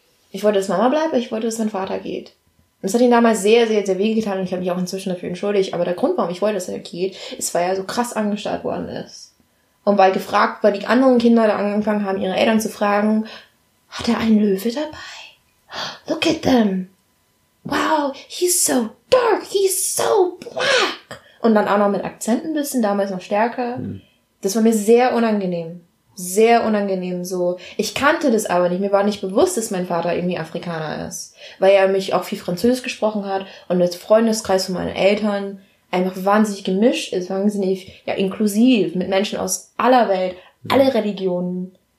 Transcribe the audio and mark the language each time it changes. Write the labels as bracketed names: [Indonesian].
[German] Ich wollte, dass Mama bleibt, ich wollte, dass mein Vater geht. Und das hat ihn damals sehr, sehr, sehr weh getan, und ich habe mich auch inzwischen dafür entschuldigt, aber der Grund, warum ich wollte, dass er geht, ist, weil er so krass angestarrt worden ist. Und weil die anderen Kinder da angefangen haben, ihre Eltern zu fragen, hat er einen Löwe dabei? [English] Look at them! Wow, he's so dark, he's so black. [German] Und dann auch noch mit Akzenten ein bisschen, damals noch stärker. Das war mir sehr unangenehm. Sehr unangenehm so. Ich kannte das aber nicht. Mir war nicht bewusst, dass mein Vater irgendwie Afrikaner ist. Weil er mich auch viel Französisch gesprochen hat und das Freundeskreis von meinen Eltern einfach wahnsinnig gemischt ist, wahnsinnig, ja, inklusiv mit Menschen aus aller Welt, alle Religionen.